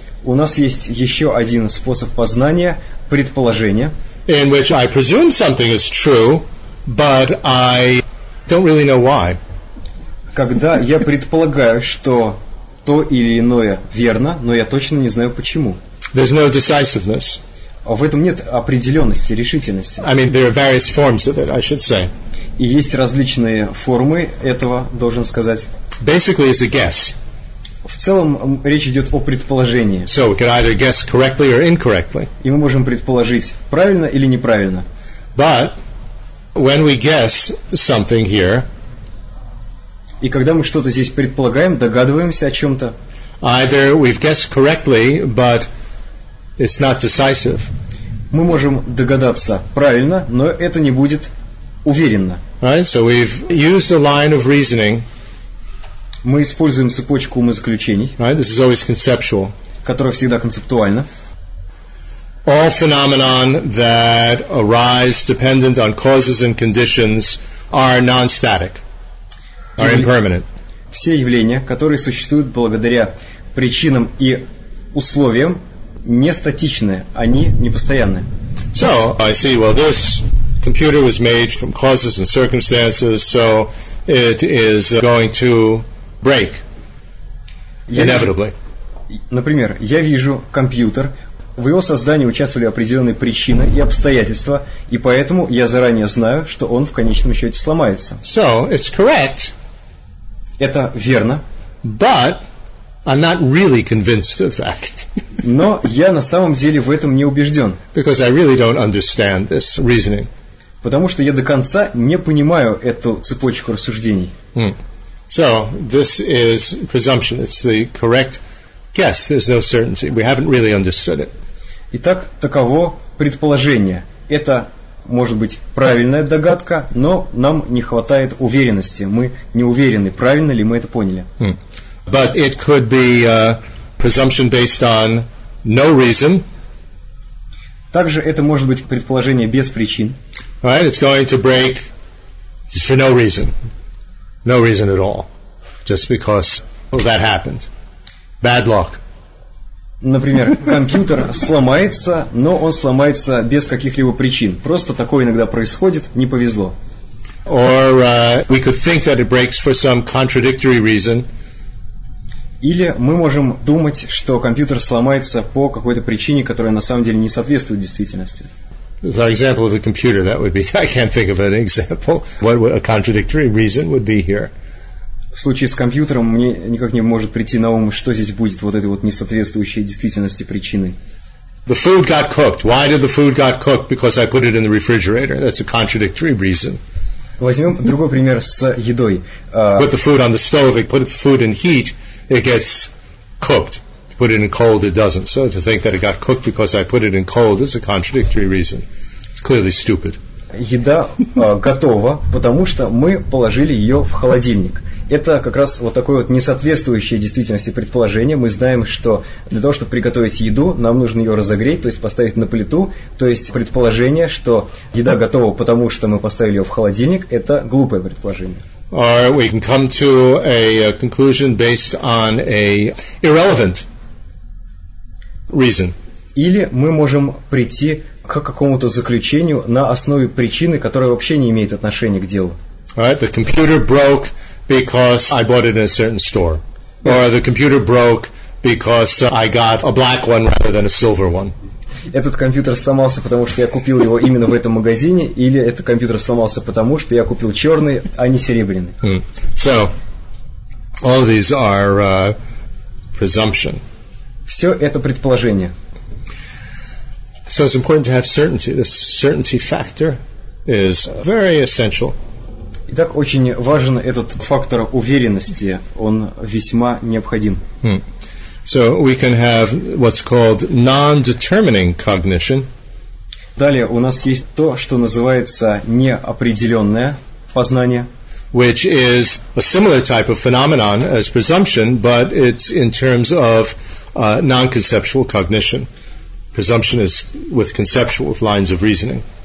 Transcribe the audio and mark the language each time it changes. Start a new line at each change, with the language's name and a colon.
Russian: У нас есть еще один способ познания – предположение.
English: In which I presume something is true, but I don't really know why.
Russian: Когда я предполагаю, что то или иное верно, но я точно не знаю почему.
English: There's no decisiveness.
Russian: В этом нет определенности, решительности.
English: I mean, there are various forms of it, I should say.
Russian: И есть различные формы этого, должен сказать.
English: Basically, it's a guess.
Russian: В целом речь идет о предположении.
English: So we can either guess correctly or incorrectly.
Russian: И мы можем предположить правильно или неправильно.
English: But when we guess something here,
Russian: и когда мы что-то здесь предполагаем, догадываемся о чем-то,
English: either we've guessed correctly, but it's not decisive.
Russian: Мы можем догадаться правильно, но это не будет уверенно.
English: Right? So we've used a line of reasoning.
Russian: Мы используем цепочку умозаключений.
English: Right? This is always conceptual.
Russian: Которая всегда концептуальна.
English: All phenomena that arise dependent on causes and conditions are non-static, are impermanent.
Russian: Все явления, которые существуют благодаря причинам и условиям, не статичны, они непостоянны.
English: So, I see, well, this computer was made from causes and circumstances, so it is going to break, inevitably.
Russian: Например, я вижу компьютер, в его создании участвовали определенные причины и обстоятельства, и поэтому я заранее знаю, что он в конечном счете сломается.
English: So, it's correct.
Russian: Это верно.
English: But I'm not really convinced of that.
Russian: Но я на самом деле в этом не убежден.
English: Because I really don't understand this reasoning.
Russian: Потому что я до конца не понимаю эту цепочку рассуждений.
English: Mm. So, this is presumption. It's the correct guess. There's no certainty. We haven't really understood it.
Russian: Итак, таково предположение. Это может быть правильная догадка, но нам не хватает уверенности. Мы не уверены, правильно ли мы это поняли. Mm.
English: But it could be a presumption based on no reason.
Russian: Также это может быть предположение без причин.
English: Right, it's going to break for no reason. No reason at all. Just because, well, that happened. Bad luck.
Russian: Например, компьютер сломается, но он сломается без каких-либо причин. Просто такое иногда происходит, не повезло.
English: Or we could think that it breaks for some contradictory reason.
Russian: Или мы можем думать, что компьютер сломается по какой-то причине, которая на самом деле не соответствует действительности.
English: The example of the computer, that would be, I can't think of an example. What would a contradictory reason would be here?
Russian: В случае с компьютером мне никак не может прийти на ум, что здесь будет вот этой вот несоответствующей действительности причины.
English: The food got cooked. Why did the food got cooked? Because I put it in the refrigerator. That's a contradictory reason.
Russian: Возьмем другой пример с едой.
English: Put the food on the stove, you put the food in heat, it gets cooked. Put it in cold, it doesn't. So to think that it got cooked because I put it in cold is a contradictory reason. It's clearly stupid.
Russian: Еда готова, потому что мы положили ее в холодильник. Это как раз вот такое вот несоответствующее действительности предположение. Мы знаем, что для того, чтобы приготовить еду, нам нужно ее разогреть, то есть поставить на плиту. То есть предположение, что еда готова, потому что мы поставили ее в холодильник, это глупое предположение.
English: Or we can come to a conclusion based on a irrelevant reason.
Russian: Или мы можем прийти к какому-то заключению на основе причины, которая вообще не имеет отношения к делу.
English: Right, the computer broke because I bought it in a certain store. Or the computer broke because I got a black one rather than a silver one.
Russian: Этот компьютер сломался, потому что я купил его именно в этом магазине, или этот компьютер сломался, потому что я купил черный, а не серебряный.
English: Mm. So, all these are presumption.
Russian: Все это предположение.
English: So it's important to have certainty. This certainty factor is very essential.
Russian: Итак, очень важен этот фактор уверенности. Он весьма необходим.
English: Hmm. So we can have what's called non-determining cognition.
Russian: Далее у нас есть то, что называется неопределенное познание.
English: Which is a similar type of phenomenon as presumption, but it's in terms of non-conceptual cognition. Presumption is with conceptual, with lines of reasoning.